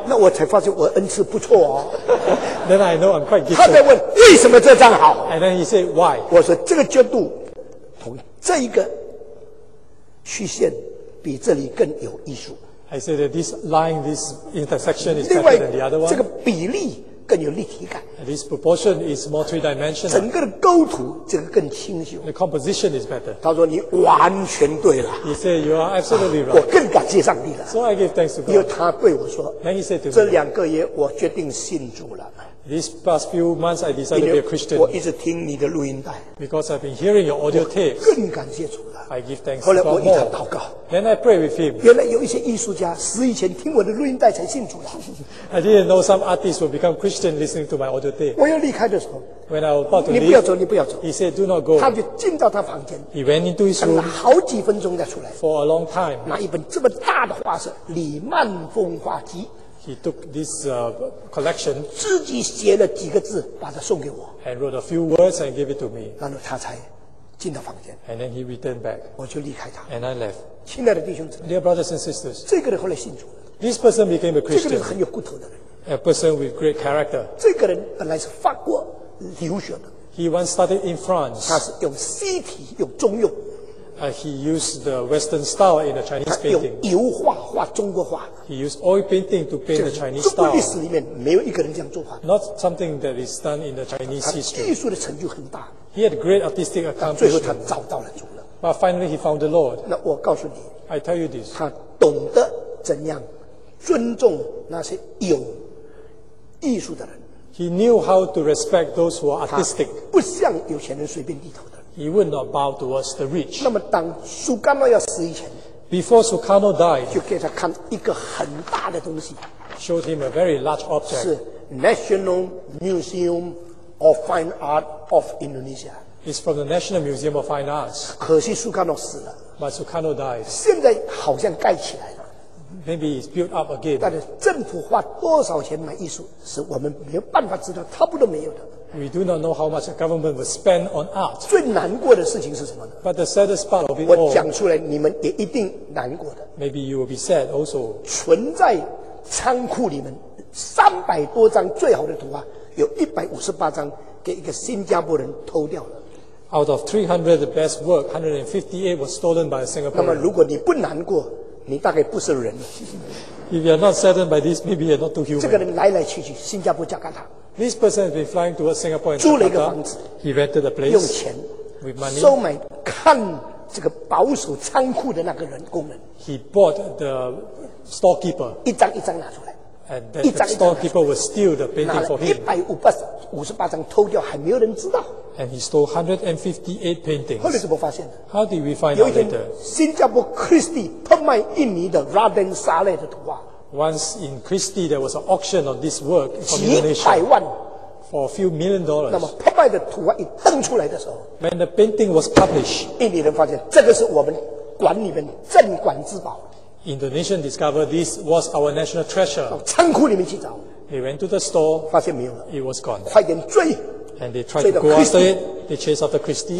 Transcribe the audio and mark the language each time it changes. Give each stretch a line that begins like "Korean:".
Chinese: 那我才发现我恩赐不错哦。
English: Then I know I'm quite gifted.
Chinese: 他在问为什么这张好。
English: And then he said why.
Chinese: 我说这个角度同这一个曲线比这里更有艺术。
English: I said that this line, this intersection is better than the other one.
Chinese: 这个比例更有立体感。
English: And this proportion is more three-dimensional.
Chinese: 整个的构图这个更清秀。
English: The composition is better.
Chinese: 他说你完全对了。
English: He said you are absolutely right.
Chinese: 我更感谢上帝了。
English: So I give thanks to God.
Chinese: 因为他对我说
English: Then he said to me,
Chinese: 这两个月我决定信主了。
English: These past few months, I decided to be a Christian.
Chinese: 我一直听你的录音带。
English: Because I've been hearing your audio tapes.
Chinese: 我更感谢主了。
English: I give thanks.
Chinese: 后来我一直祷告。
English: Then I pray with him.
Chinese: 原来有一些艺术家死以前听我的录音带才信主的。
English: I didn't know some artists would become Christian listening to my audio tape.
Chinese: 我要离开的时候。
English: When I was about to leave.
Chinese: 你不要走，你不要走。
English: He said, "Do not go."
Chinese: 他就进到他房间。
English: He went into his room.
Chinese: 等了好几分钟才出来。
English: For a long time.
Chinese: 拿一本这么大的画册，《李曼峰画集》。
English: He took this collection.
Chinese: 自己写了几个字，把它送给我。
English: And wrote a few words and gave it to me.
Chinese: 然后他才进到房间。
English: And then he returned back.
Chinese: 我就离开他。
English: And I left.
Chinese: 亲爱的弟兄姊妹。
English: Dear brothers and sisters.
Chinese: 这个人后来信主。
English: This person became a Christian.
Chinese: 这个人很有骨头的人。
English: A person with great character.
Chinese: 这个人本来是法国留学的。
English: He once studied in France.
Chinese: 他是用西体，用中用。
English: He used the Western style in the Chinese painting.
Chinese: 他用油画画中国画。
English: He used oil painting to paint the Chinese style.
Chinese: 中国历史里面没有一个人这样做画。
English: Not something that is done in the Chinese history.
Chinese: 他艺术的成就很大。
English: He had great artistic accomplishment.
Chinese: 最后他找到了主了。
English: But finally he found the Lord.
Chinese: 那我告诉你。
English: I tell you this.
Chinese: 他懂得怎样尊重那些有艺术的人。
English: He knew how to respect those who are artistic.
Chinese: 他不像有钱人随便低头的。
English: He would not bow towards the rich.
Chinese: 那么当苏卡诺要死以前
English: ，Before Sukarno died，
Chinese: 就给他看一个很大的东西
English: ，showed him a very large object. 是 National Museum of Fine Art of Indonesia. It's from the National Museum of Fine Arts.
Chinese: 可惜苏卡诺死了
English: ，But Sukarno died.
Chinese: 现在好像盖起来了
English: ，Maybe it's built up again.
Chinese: 但是政府花多少钱买艺术，是我们没有办法知道，差不多没有的。
English: We do not know how much the government will spend on art.
Chinese: 最难过的事情是什么呢
English: ？But the saddest part of it all.
Chinese: 我讲出来，你们也一定难过的。
English: Maybe you will be sad also.
Chinese: 存在仓库里面三百多张最好的图画，有一百五十八张给一个新加坡人偷掉了。
English: Out of 300 the best work, 158 was stolen by a Singaporean.
Chinese: 那么如果你不难过，你大概不是人。
English: If you are not saddened by this, maybe you are not too human.
Chinese: 这个人来来去去，新加坡交给他。
English: This person has been flying towards Singapore.
Chinese: 租了一个房子。
English: He rented a place.
Chinese: 用钱。
English: With money.
Chinese: 收买看这个保守仓库的那个人工人。
English: He bought the storekeeper.
Chinese: 一张一张拿出来。
English: And then the storekeeper would steal the painting for him.
Chinese: 拿了158张偷掉，还没有人知道。
English: And he stole 158 paintings.
Chinese: 后来怎么发现的
English: ？How did we find out later?
Chinese: 新加坡 Christie 特卖印尼的 Raden Saleh 的图画。
English: Once in Christie, there was an auction on this work from Indonesia for a few million dollars.
Chinese: 那么拍卖的图画一登出来的时候
English: ，when the painting was published,
Chinese: 印尼人发现这个是我们馆里面镇馆之宝。
English: Indonesian discovered this was our national treasure.
Chinese: 到仓库里面去找
English: ，they went to the store,
Chinese: 发现没有了
English: ，it was gone.
Chinese: 快点追
English: ，and they tried to go after it. They chased after Christie.